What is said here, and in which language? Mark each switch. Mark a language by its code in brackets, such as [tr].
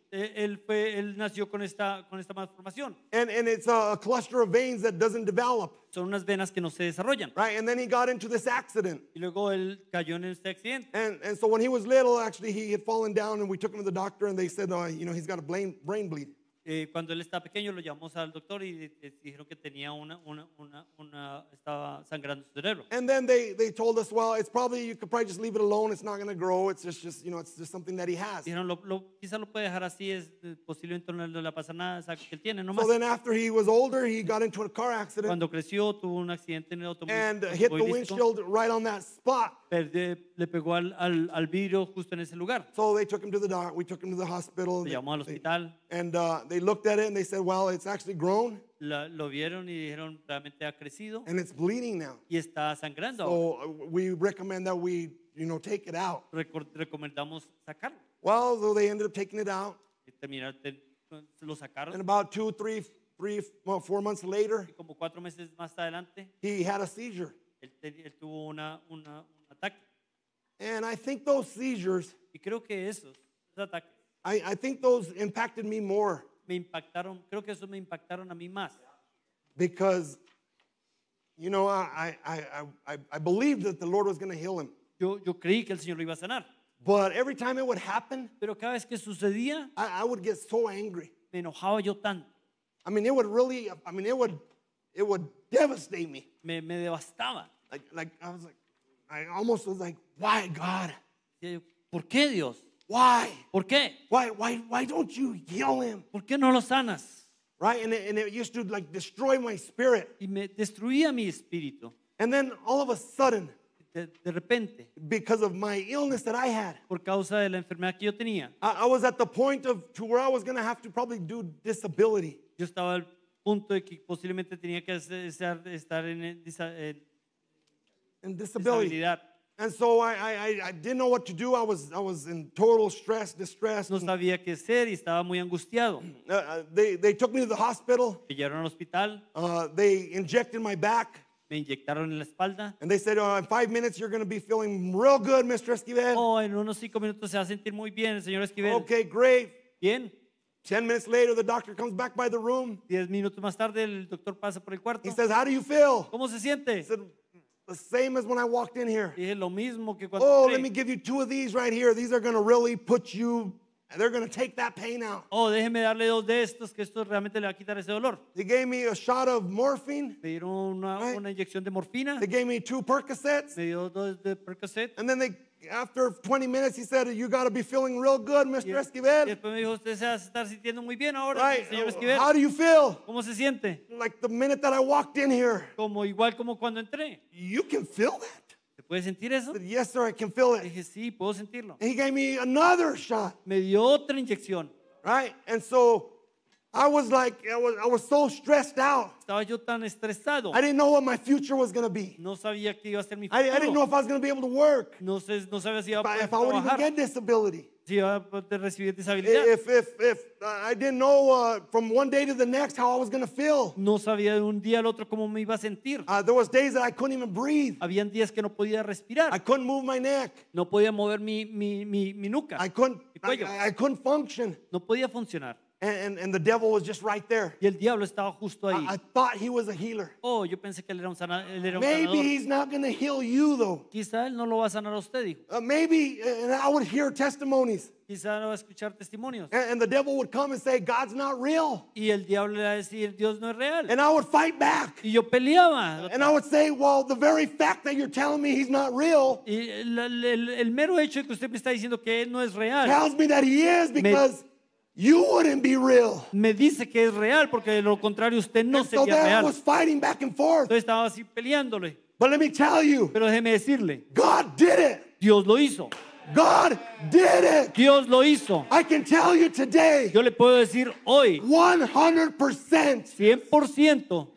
[es] Él nació con esta malformación. [en] And it's a cluster of veins that doesn't develop. [es] Son unas venas que no se desarrollan. [en] Right, and then he got into this accident. [es] Y luego él cayó en este accidente. [en] And so when he was little, actually, he had fallen down, and we took him to the doctor, and they said, you know, he's got a brain bleed. [es] Cuando él estaba pequeño, lo llamamos al doctor y dijeron que tenía una estaba sangrando su cerebro. [en] And then they told us, well, it's probably, you could probably just leave it alone. It's not going to grow. It's just, you know, it's just something that he has. [es] Dijeron, quizá lo puede dejar así. Es posible, entonces no le pasa nada. Es algo que él tiene, nomás. [en] So then after he was older, he got into a car accident. [es] Cuando creció, tuvo un accidente en el automóvil. [en] And hit the windshield right on that spot. [es] Le pegó al vidrio justo en ese lugar. [en] So they took him to the doctor. We took him to the hospital. [es] Le llamó al hospital. [en] And they looked at it and they said, well, it's actually grown. [es] Lo vieron y dijeron, realmente ha crecido. [en] And it's bleeding now. [es] Y está sangrando. [en] So we recommend that we, you know, take it out. [es] Recomendamos sacarlo. [en] Well, so they ended up taking it out. [es] Y terminaron, lo sacaron. [en] And about four months later, [es] y como cuatro meses más adelante, [en] he had a seizure. [es] Él tuvo un ataque. [en] And I think those seizures, [es] y creo que esos ataques, [en] I think those impacted me more. [es] Me impactaron, creo que eso me impactaron a mí más. [en] Because, you know, I believed that the Lord was going to heal him. [es] Yo creí que el Señor lo iba a sanar. [en] But every time it would happen, [es] pero cada vez que sucedía, [en] I would get so angry. [es] Me enojaba yo tanto. [en] I mean, it would devastate me. [es] Me devastaba. [en] Like I was like, I almost was like, why, God? [es] ¿Por qué, Dios? [en] Why? [es] ¿Por qué? [en] Why don't you heal him? [es] ¿Por qué no lo sanas? [en] Right? And it used to like destroy my spirit. [es] Y me destruía mi espíritu. [en] And then all of a sudden, [es] de repente, [en] because of my illness that I had, [es] por causa de la enfermedad que yo tenía, [en] I was at the point of to where I was going to have to probably do disability. [es] Yo estaba al punto de que posiblemente tenía que estar en [en] disability. And so I didn't know what to do. I was in total stress, distress. [es] No sabía qué hacer y estaba muy angustiado. [en] They took me to the hospital. [es] Me llevaron al hospital. [en] They injected my back. [es] Me inyectaron en la espalda. [en] And they said, in 5 minutes you're going to be feeling real good, Mr. Esquivel. [es] Oh, en unos 5 minutos se va a sentir muy bien, señor Esquivel. [en] Okay, great. [es] Bien. [en] 10 minutes later, the doctor comes back by the room. [es] 10 minutos más tarde, el doctor pasa por el cuarto. [en] He says, how do you feel? [es] ¿Cómo se siente? [en] He said, the same as when I walked in here. [es] Dije lo mismo que cuando entré. [en] Oh, let me give you two of these right here. These are going to really put you, they're going to take that pain out. [es] Oh, déjeme darle dos de estos, que esto realmente le va a quitar ese dolor. [en] They gave me a shot of morphine. [es] Me dieron una inyección de morfina. [en] They gave me two Percocets. [es] Me dio dos de Percocet. [en] And then after 20 minutes, he said, you got to be feeling real good, Mr. Esquivel. Right. How do you feel? [es] ¿Cómo se siente? [en] Like the minute that I walked in here. [es] Como igual como cuando entré. [en] You can feel that. [es] ¿Te puedes sentir eso? [en] I said, yes, sir, I can feel it. [es] Dije, sí, puedo sentirlo. [en] And he gave me another shot. [es] Me dio otra inyección. [en] Right? And so I was so stressed out. [es] Estaba yo tan estresado. [en] I didn't know what my future was going to be. [es] No sabía qué iba a ser mi futuro. [en] I didn't know if I was going to be able to work. [es] No sabía si iba a poder trabajar. [en] If I would even get disability. [es] Si iba a poder recibir disabilidad. [en] If I didn't know from one day to the next how I was going to feel. [es] No sabía de un día al otro cómo me iba a sentir. [en] There was days that I couldn't even breathe. [es] Habían días que no podía respirar. [en] I couldn't move my neck. [es] No podía mover mi nuca. [en] I couldn't function. [es] No podía funcionar. [en] And the devil was just right there. [es] Y el diablo estaba justo ahí. [en] I thought he was a healer. [es] Oh, yo pensé que él era un sanador. [en] Maybe he's not going to heal you, though. [es] Quizá él no lo va a sanar a usted, dijo. [en] Maybe, and I would hear testimonies. [es] Quizá no va a escuchar testimonios. [en] And the devil would come and say, God's not real. [es] Y el diablo le va a decir, Dios no es real. [en] And I would fight back. [es] Y yo peleaba. [en] And I would say, well, the very fact that you're telling me he's not real. [es] Y el mero hecho de que usted me está diciendo que él no es real. [en] Tells me that he is because... You wouldn't be real. [es] Me dice que es real porque de lo contrario usted no sería real. [en] So then I was fighting back and forth. [es] Entonces estaba así peleándole. [en] But let me tell you. [es] Pero déjeme decirle. [en] God did it. [es] Dios lo hizo. [en] God did it. [es] Dios lo hizo. [en] I can tell you today. [es] Yo le puedo decir hoy. [en] 100%. [es] 100%.